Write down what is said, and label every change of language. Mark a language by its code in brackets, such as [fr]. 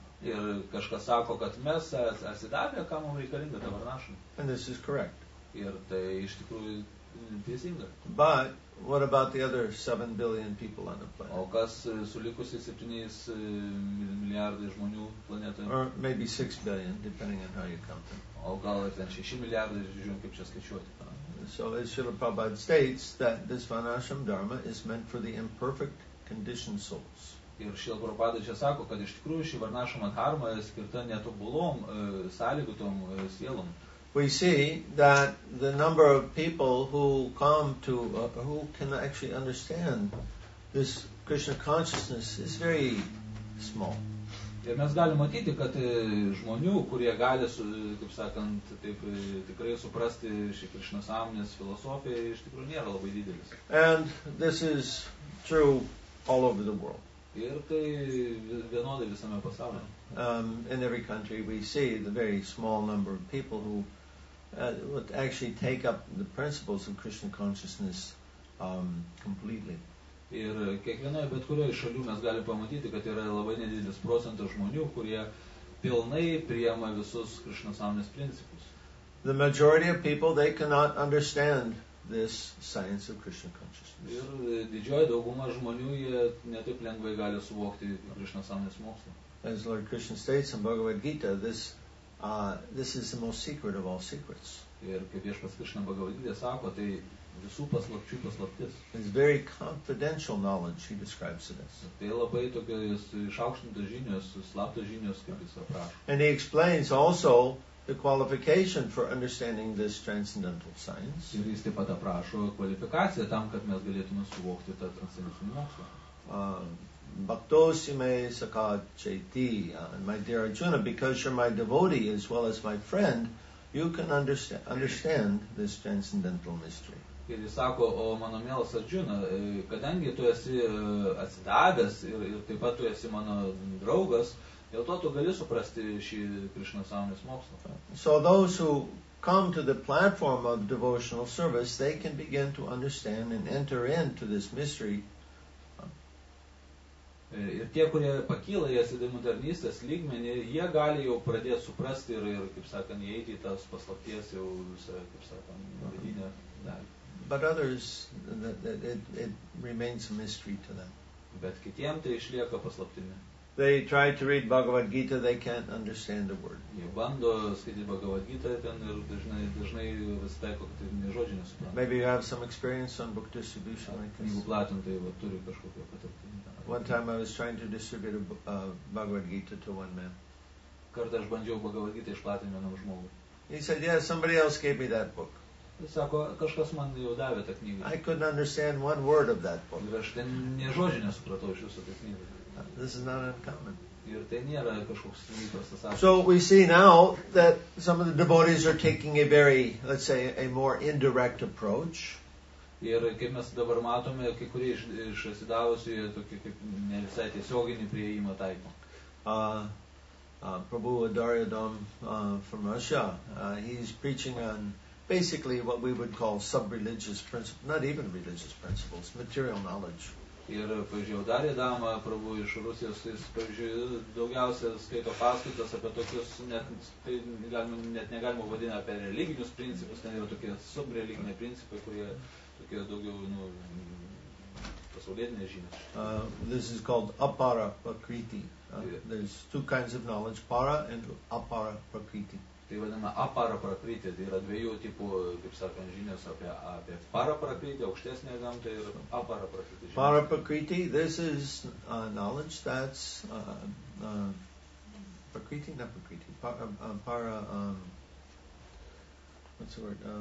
[lt] Ir kažkas sako, kad mes atsidavę, ką mums reikalinga, tą Varnashram. [en] And this is correct. [lt] Ir tai iš tikrųjų teisinga. [en] But what about the other 7 billion people on the planet? [lt] O kas su likusiais 7 milijardai žmonių planetoje? [en] Or maybe 6 billion, depending on how you count them. [lt] O gal ir ten 6 milijardai, žiūrėjom, kaip čia skaičiuoti. [en] So as Srila Prabhupada states that this Varnashram Dharma is meant for the imperfect conditioned souls. [lt] Ir Šrila Prabhupada čia sako, kad iš tikrųjų ši Varnashrama dharma skirta netobulom sąlygotom sielom. [en] We see that the number of people who come to who can actually understand this Krishna consciousness is very small. [lt] Ir mes galime matyti, kad žmonių, kurie gali, kaip sakant, taip tikrai suprasti šį Krishna sąmonės filosofiją, iš tikrųjų nėra labai didelis. [en] And this is true all over the world. [lt] Ir tai vienodai visame pasaulyje. [en] In every country we see the very small number of people who would actually take up the principles of Krishna consciousness completely. [lt] Ir kiekvienoje bet kurioje šalių mes galime pamatyti, kad yra labai nedidelis procentas žmonių, kurie pilnai priima visus Krishna sąmonės principus. [en] The majority of people, they cannot understand this science of Krishna consciousness. [lt] Ir didžioji dauguma žmonių jie netaip lengvai gali suvokti Krishna sąmonės mokslą. [en] As Lord Krishna states in Bhagavad Gita, this is the most secret of all secrets. [lt] Ir kaip viešpats Krishna Bhagavad Gita sako, tai visų paslapčių paslaptis. [en] It's very confidential knowledge, he describes it as. [lt] Tai labai tokios išaukštintos žinios, slaptos žinios, kaip jis aprašo. [en] And he explains also the qualification for understanding this transcendental science. [lt] Ir jis taip pat aprašo kvalifikaciją tam, kad mes galėtume suvokti tą transcendentinį mokslą. [en] Bhaktosime sakha chaiti, my dear Arjuna, because you're my devotee as well as my friend, you can understand this transcendental mystery. [lt] Ir jis sako, o mano mielas Arjuna, kadangi tu esi atsidavęs ir taip pat tu esi mano draugas, dėl to tu gali suprasti šį Krishna sąmonės mokslą. [en] So those who come to the platform of devotional service, they can begin to understand and enter into this mystery. [lt] Ir tie, kurie pakyla į asidimų tarnystės lygmenį, jie gali jau pradėti suprasti ir kaip sakant, įeiti į tas paslapties jau visą, kaip sakant, vidinę dalį. [en] But others, it remains a mystery to them. [lt] Bet kitiem tai išlieka paslaptimi. [en] They try to read Bhagavad Gita, they can't understand the word. [lt] Jie bando skaityti Bhagavad Gita, ten ir dažnai vis taiko, kad ne žodžių nesupranta. [en] Maybe you have some experience on book distribution like this. [lt] Jeigu platintai, va, turi kažkokio patirtį. [en] One time I was trying to distribute a Bhagavad Gita to one man. [lt] Kartą aš bandžiau Bhagavad Gita išplatinti vienam žmogui. [en] He said, yeah, somebody else gave me that book. [lt] Jis sako, kažkas man jau davė tą knygą. [en] I couldn't understand one word of that book. [lt] Ir aš ten ne žodžių nesupratau iš jūsų tą knygą. [en] This is not uncommon. [lt] Ir tai nėra kažkoks įprastas atvejis. [en] So we see now that some of the devotees are taking a very, let's say, a more indirect approach. [lt] Ir kaip mes dabar matome, kai kurie iš atsidavusių tokį kaip ne visai tiesioginį priėjimą taiko. [en] Prabhu Daryadam from Russia, he's preaching on basically what we would call sub-religious principles, not even religious principles, material knowledge. [lt] Ir, pavyzdžiui, Daryadam, prabhu iš Rusijos, jis, pavyzdžiui, daugiausia skaito paskaitas apie tokius, net negalima vadinti apie religinius principus, ten yra tokie sub-religiniai principai, kurie tokie daugiau, nu, pasaulietinės žinios. [en] This is called apara prakriti. There's two kinds of knowledge, para and apara prakriti. [lt] Tai vadina apara prakriti, tai yra dviejų tipų, kaip sakant, žinios apie para prakriti, aukštesnė gamta ir apara prakriti žinios. [en] Para prakriti, this is knowledge that's prakriti, not prakriti, para, what's the word,